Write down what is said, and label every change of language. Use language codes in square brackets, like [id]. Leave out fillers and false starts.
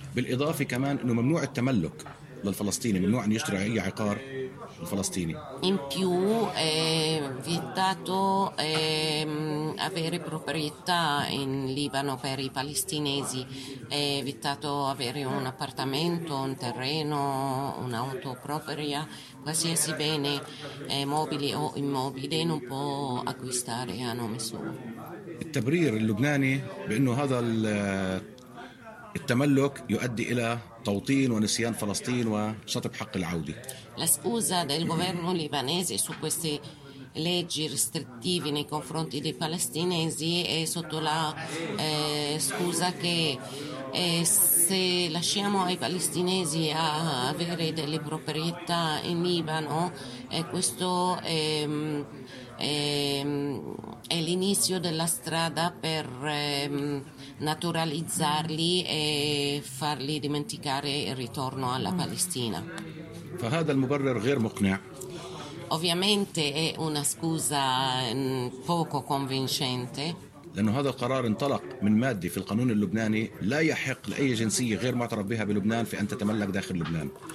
[ar] بالإضافة كمان إنه ممنوع التملك. للفلسطيني ممنوع أن يشتري أي عقار الفلسطيني. [it] In più è vietato avere proprietà in Libano per i palestinesi. È vietato avere un appartamento, un terreno, un'auto propria, qualsiasi bene mobili o immobili non può acquistare a nome suo. [ar] التبرير اللبناني بأنه هذا التملك يؤدي إلى توطين ونسيان فلسطين وشطب حق العودة. [it] La scusa del governo libanese su queste leggi restrittive nei confronti dei palestinesi è sotto la scusa che se lasciamo ai palestinesi a avere delle proprietà in Libano, questo è l'inizio della strada per naturalizzarli e farli dimenticare il ritorno alla Palestina. [ar] فهذا المبرر غير مقنع. [it] Ovviamente è una scusa poco convincente. [ar] لأن هذا القرار انطلق من مادة في القانون اللبناني لا يحق لأي جنسية غير معترف بها بلبنان في أن تتملك داخل لبنان.